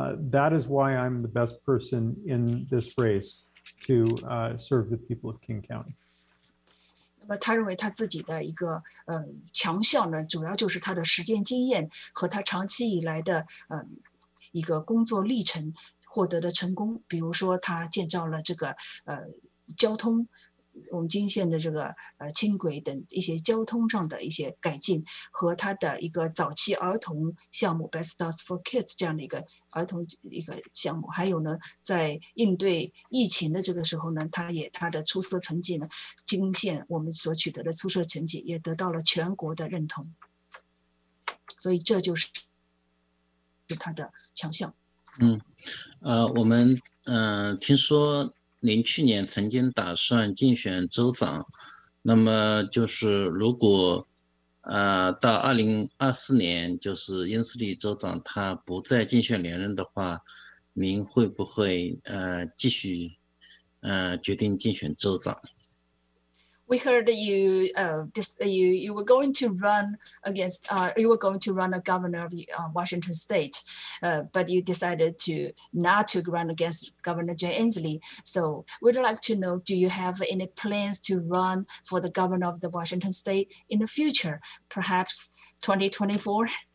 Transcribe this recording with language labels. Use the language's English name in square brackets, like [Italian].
[English] That is why I'm the best person in this race to serve the people of King County. [Chinese] 那么他认为他自己的一个强项呢主要就是他的实践经验和他长期以来的一个工作历程获得的成功，比如说他建造了这个交通我们经线的这个轻轨等一些交通上的一些改进，和他的一个早期儿童项目 Best Starts for Kids 这样的一个儿童一个项目，还有呢在应对疫情的这个时候呢，他的出色成绩呢，经线我们所取得的出色成绩也得到了全国的认同，所以这就是他的强项。我们听说您去年曾经打算竞选州长，那么就是如果到2024年就是英斯利州长他不再竞选连任的话，您会不会继续决定竞选州长？ [English] We heard that you were going to run against you were going to run a governor of Washington state but you decided to not to run against Governor Jay Inslee. So we'd like to know, do you have any plans to run for the governor of the Washington state in the future, perhaps 2024?